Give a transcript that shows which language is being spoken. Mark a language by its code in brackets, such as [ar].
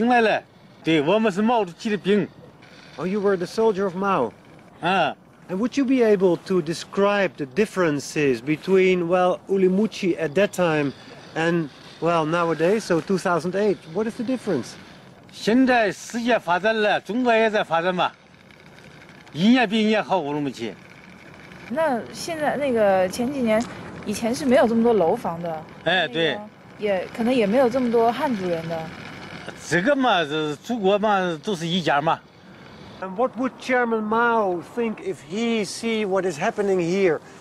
[zh] 我们是中国青年，要保卫中国领土。我们当兵来了，对，我们是毛主席的兵。 [en] Oh, you were the soldier of Mao. And would you be able to describe the differences between, well, Urumqi at that time and, well, nowadays, so 2008? What is the difference? [zh] 现在世界发展了，中国也在发展嘛，一年比一年好，乌鲁木齐。那现在那个前几年，以前是没有这么多楼房的。哎，对。也可能也没有这么多汉族人的，这个嘛，祖国嘛，都是一家嘛。 [en] And what would Chairman Mao think if he see what is happening here?